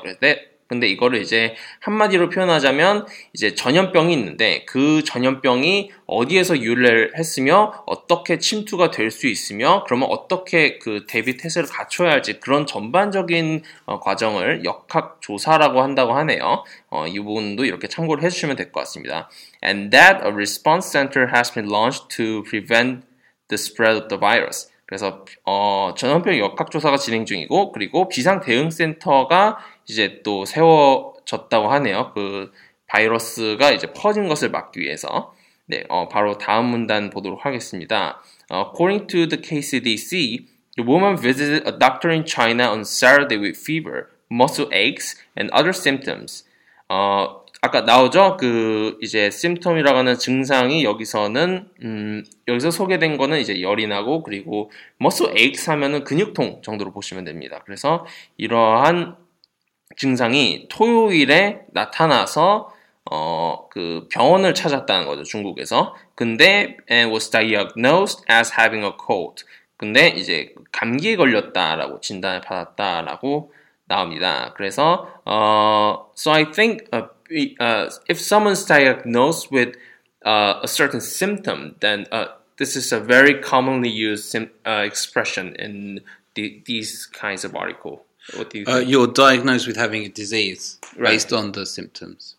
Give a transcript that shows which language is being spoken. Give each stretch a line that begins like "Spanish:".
Korean: 그런데 근데 이거를 이제 한마디로 표현하자면 이제 전염병이 있는데 그 전염병이 어디에서 유래를 했으며 어떻게 침투가 될 수 있으며 그러면 어떻게 그 대비 태세를 갖춰야 할지 그런 전반적인 과정을 역학조사라고 한다고 하네요. 이 부분도 이렇게 참고를 해주시면 될 것 같습니다.
English: And that a response center has been launched to prevent the spread of the virus.
Korean: 그래서 전염병 역학조사가 진행 중이고 그리고 비상대응센터가 이제 또 세워졌다고 하네요. 그 바이러스가 이제 퍼진 것을 막기 위해서. 네, 바로 다음 문단 보도록 하겠습니다.
English: According to the KCDC, the woman visited a doctor in China on Saturday with fever, muscle aches, and other symptoms.
Korean: 아까 나오죠? 그 이제 심텀이라고 하는 증상이 여기서는 여기서 소개된 거는 이제 열이 나고 그리고
English: muscle aches
Korean: 하면은 근육통 정도로 보시면 됩니다. 그래서 이러한 증상이 토요일에 나타나서 그 병원을 찾았다는 거죠. 중국에서. 근데
English: and was diagnosed as having a cold.
Korean: 근데 이제 감기에 걸렸다라고 진단을 받았다라고 나옵니다. 그래서
English: so I think if someone's diagnosed with a certain symptom, then this is a very commonly used expression in these kinds of article. What do you think? You're diagnosed with having a disease based on the symptoms.